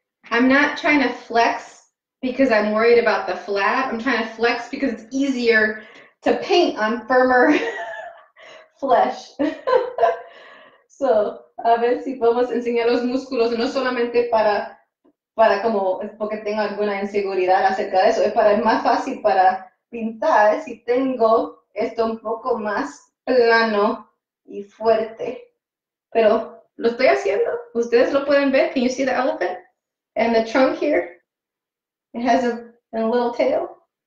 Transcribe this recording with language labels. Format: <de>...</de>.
<en>I'm not trying to flex because I'm worried about the flap. I'm trying to flex because it's easier to paint on firmer flesh.</en> <es>So, a ver si podemos enseñar los músculos, no solamente para como, porque tengo alguna inseguridad acerca de eso, es para es más fácil para pintar si tengo esto un poco más plano y fuerte. Pero lo estoy haciendo. ¿Ustedes lo pueden ver?</es> <en>Can you see the elephant? And the trunk here, it has a little tail.</en>